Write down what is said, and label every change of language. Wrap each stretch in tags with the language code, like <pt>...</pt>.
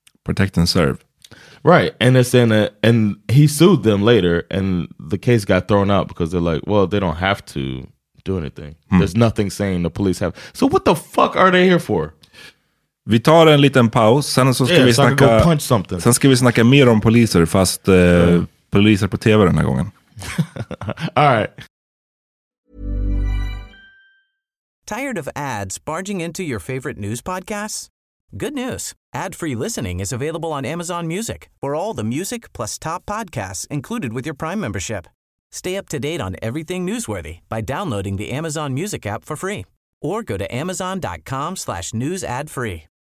<en>Protect and serve. Right. And it's in a, and he sued them later and the case got thrown out because they're like, well, they don't have to do anything. Mm. There's nothing saying the police have. So what the fuck are they here for?</en> <sv>Vi tar en liten paus. Sen så ska</sv> <en>I can go punch something.</en> <sv>Sen ska vi snacka mer om poliser, fast poliser på TV den här gången.</sv> <en>All right. Tired of ads barging into your favorite news podcasts? Good news. Ad-free listening is available on Amazon Music for all the music plus top podcasts included with your Prime membership. Stay up to date on everything newsworthy by downloading the Amazon Music app for free or go to amazon.com/newsadfree.</en>